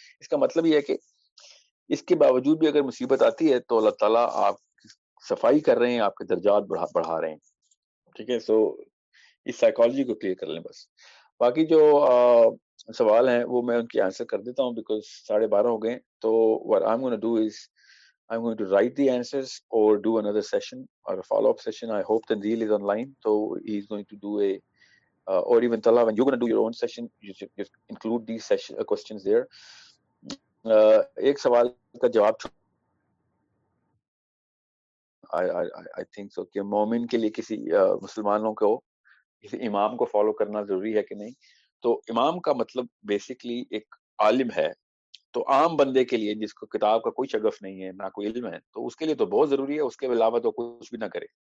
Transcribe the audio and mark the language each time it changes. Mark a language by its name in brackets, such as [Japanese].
[Urdu] اس کا مطلب یہ ہے کہ اس کے باوجود بھی اگر مصیبت آتی ہے تو اللہ تعالیٰ آپ صفائی کر رہے ہیں, آپ کے درجات بڑھا رہے ہیں. ٹھیک ہے, سو اس سائیکالوجی کو کلیئر کر لیں بس. باقی جو سوال ہیں وہ میں ان کی آنسر کر دیتا ہوں, بیکاز 12:30 ہو گئے. [English] تو what I'm going to do is I'm going to write the answers or do another session or a follow-up session. I hope Tanzeel is online, so he's going to do a or even Talha, when you're going to do your own session, you should just include these session, questions there. [Urdu] ایک سوال کا جواب [English] I think so [Urdu] کہ مومن کے لیے کسی مسلمانوں کو امام کو فالو کرنا ضروری ہے کہ نہیں. تو امام کا مطلب بیسکلی ایک عالم ہے. تو عام بندے کے لیے جس کو کتاب کا کوئی شغف نہیں ہے نہ کوئی علم ہے, تو اس کے لیے تو بہت ضروری ہے, اس کے علاوہ تو کچھ بھی نہ کرے.